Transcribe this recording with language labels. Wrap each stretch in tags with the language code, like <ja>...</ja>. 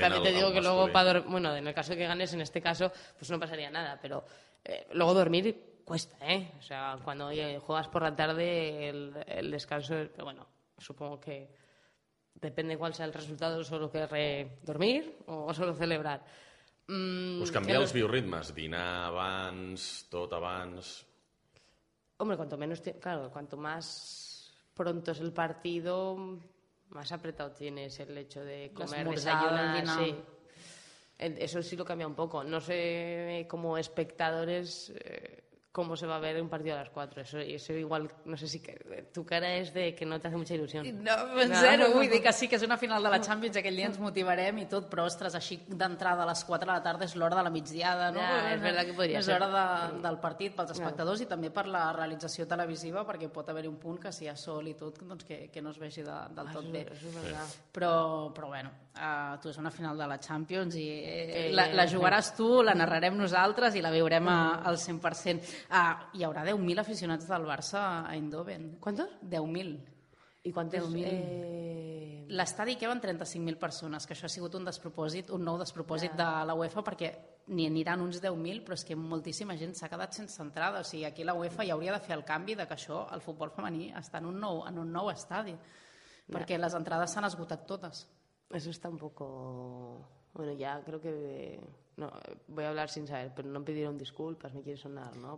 <es>también te digo que luego, bueno, en el caso de que ganes, en este caso, pues no pasaría nada, pero Luego dormir cuesta, ¿eh? O sea, cuando juegas por la tarde, el descanso... Pero bueno, supongo que depende cuál sea el resultado, solo querré dormir o solo celebrar.</es> <ca>Pues canviar els bioritmes, dinar abans, tot abans...</ca> <es>Hombre, cuanto menos... cuanto más pronto es el partido, más apretado tienes el hecho de comer, desayunar... Sí. Eso sí lo cambia un poco. No sé, como espectadores, cómo se va a ver un partido a las 4. Eso igual, no sé si que, tu cara es de que no te hace mucha ilusión.</es> <ca>No, zero. Vull dir que sí que és una final de la Champions, aquell dia ens motivarem i tot, però ostres, així d'entrada a les 4 de la tarda és l'hora de la migdiada, no? Ja, és</ca> <es>verdad</es> <ca>que podria ser. És l'hora del partit pels espectadors i també per la realització televisiva, perquè pot haver-hi un punt que si hi ha sol i tot, doncs que no es vegi del tot bé. Però bueno, tu és una final de la Champions i la jugaràs tu, la narrarem nosaltres i la viurem al 100%. Hi haurà 10.000 aficionats del Barça a Eindhoven.</ca> <es>Quantos?</es> <ca>10.000. I quantes? 10.000. L'estadi que van 35.000 persones, que això ha sigut un despropòsit, un nou despropòsit de la UEFA, perquè ni aniran uns 10.000, però és que moltíssima gent s'ha quedat sense entrada. O sigui, aquí la UEFA ja hauria de fer el canvi de que això, el futbol femení, està en un nou estadi, perquè les entrades s'han esgotat totes.</ca> <es>Eso está un poco... Bueno, ya creo que... No, voy a hablar sin saber, pero no pidieron disculpas, me quiere sonar, ¿no?</es>